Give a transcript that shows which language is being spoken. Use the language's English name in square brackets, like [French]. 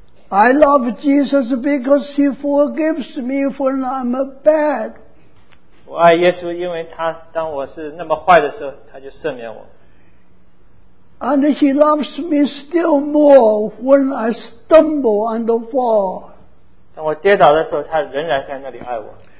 [English] I love Jesus because he forgives me when I'm bad. [Chinese] 我爱耶稣因为他当我是那么坏的时候他就赦免我。 [English] And he loves me still more when I stumble and fall. [Chinese] 当我跌倒的时候他仍然在那里爱我。